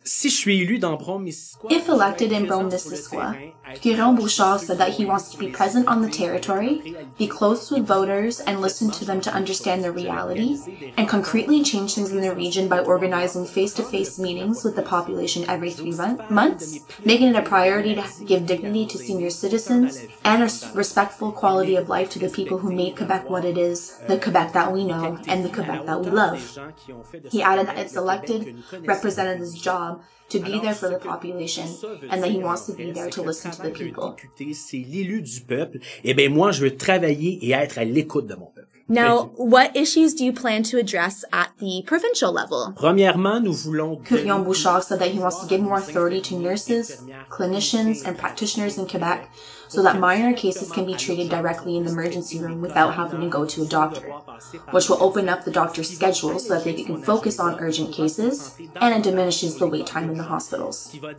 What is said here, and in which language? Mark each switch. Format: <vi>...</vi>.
<en>If elected in Brome-Missisquoi, Quirion-Bouchard said that he wants to be present on the territory, be close with voters and listen to them to understand the reality, and concretely change things in the region by organizing face-to-face meetings with the population every 3 months, making it a priority to give dignity to senior citizens and a respectful quality of life to the people who made Quebec what it is, the Quebec that we know and the Quebec that we love. He added that its elected representative's job to be there for the population and that he wants to be there to listen to the people.</en> <fr>C'est l'élu du peuple. Eh bien, moi, je veux travailler et être à l'écoute de mon peuple.</fr> <en>Now, what issues do you plan to address at the provincial level?</en> <fr>Premièrement, nous voulons...</fr> <en>Quirion-Bouchard said that he wants to give more authority to nurses, clinicians, and practitioners in Quebec so that minor cases can be treated directly in the emergency room without having to go to a doctor, which will open up the doctor's schedule so that they can focus on urgent cases, and it diminishes the wait time in the hospitals.</en>